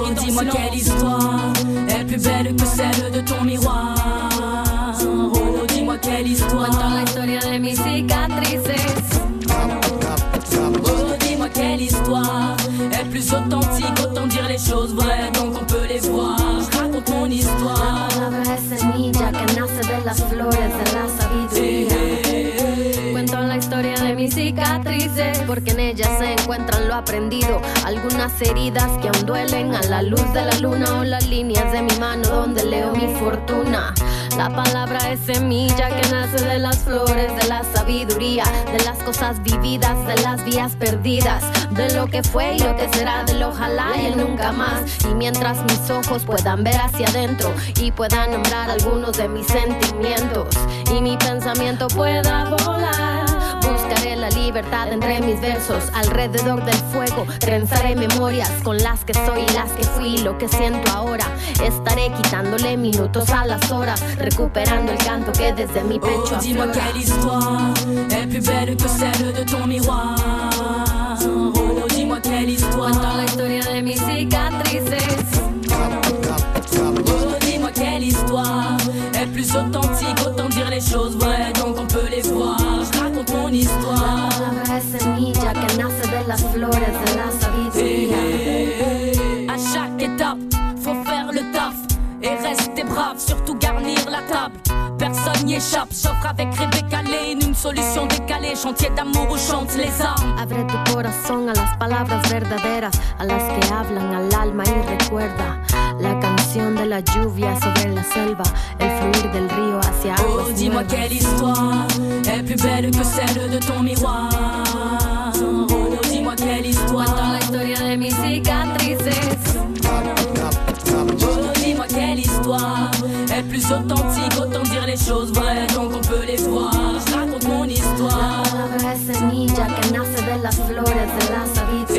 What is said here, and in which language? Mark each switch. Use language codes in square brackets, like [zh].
[fr] Oh, dis-moi quelle histoire est plus belle que celle de ton miroir. Oh, dis-moi quelle histoire. [es] Entends la historia de mes cicatrices. [fr] Oh, dis-moi quelle histoire est plus authentique. Autant dire les choses vraies donc on peut les voir. Je raconte mon histoire. [es] La palabra es semilla que nace de las flores de la sabiduría. Cicatrices, porque en ellas se encuentran lo aprendido. Algunas heridas que aún duelen a la luz de la luna. O las líneas de mi mano donde leo mi fortuna. La palabra es semilla que nace de las flores, de la sabiduría, de las cosas vividas, de las vías perdidas, de lo que fue y lo que será, del ojalá y el nunca más. Y mientras mis ojos puedan ver hacia adentro y puedan nombrar algunos de mis sentimientos y mi pensamiento pueda volar, buscaré la libertad entre mis versos. Alrededor del fuego trenzaré memorias con las que soy y las que fui, lo que siento ahora. Estaré quitándole minutos a las horas, recuperando el canto que desde mi pecho [fr] aflora. Oh, dis-moi quelle histoire est plus belle que celle de ton miroir. Oh, dis-moi quelle histoire. [es] Dans la historia de mis cicatrices. [fr] Oh, dis-moi quelle histoire. Est plus authentique, autant dire les choses vraies. Donc on peut les voir. Je raconte mon histoire. [es] La palabra es semilla que nace de las flores de la sabiduría. Hey, hey, [fr] hey. À chaque étape, faut faire le taf. Et rester brave, surtout garnir la table. Personne n'y échappe, j'offre avec Rebecca Lane une solution décalée, chantier d'amour où chante les âmes. [es] Abre tu corazón a las palabras verdaderas, a las que hablan al alma y recuerda la canción de la lluvia sobre la selva, el fluir del río hacia agua. [fr] Oh, dis-moi quelle histoire est plus belle que celle de ton miroir. Oh, dis-moi quelle histoire. [es] Attends la historia de mis cicatrices. [fr] Quelle histoire est plus authentique, autant dire les choses vraies, donc on peut les voir. Je raconte mon histoire. [es] La palabra es semilla que nace de las flores de la sabiduría.